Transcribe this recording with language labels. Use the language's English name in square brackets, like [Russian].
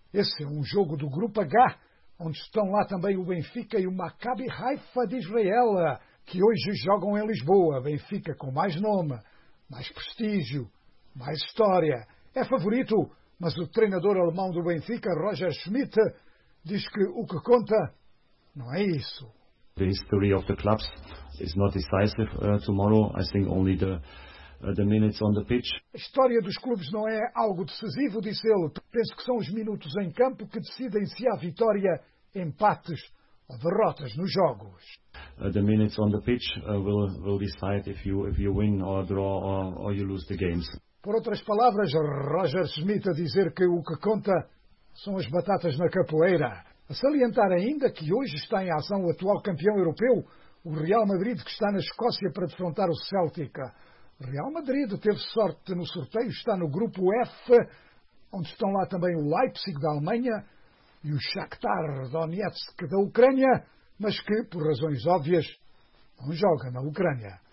[Portuguese] Esse é um jogo do grupo H, onde estão lá também o Benfica e o Maccabi Haifa de Israel, que hoje jogam em Lisboa. Benfica com mais nome, mais prestígio, mais história. É favorito, mas o treinador alemão do Benfica, Roger Schmidt, diz que o que conta não é isso. [English] The history of the clubs is not decisive tomorrow. I think only the minutes on the pitch. [Portuguese] A história dos clubes não é algo decisivo, disse ele. Penso que são os minutos em campo que decidem se há vitória, empates ou derrotas nos jogos. [English] The minutes on the pitch will decide if you win or draw or you lose the games. [Portuguese] Por outras palavras, Roger Schmidt a dizer que o que conta são as batatas na capoeira. A salientar ainda que hoje está em ação o atual campeão europeu, o Real Madrid, que está na Escócia para defrontar o Celtic. Real Madrid teve sorte no sorteio, está no grupo F, onde estão lá também o Leipzig da Alemanha e o Shakhtar Donetsk da Ucrânia, mas que, por razões óbvias, não joga na Ucrânia.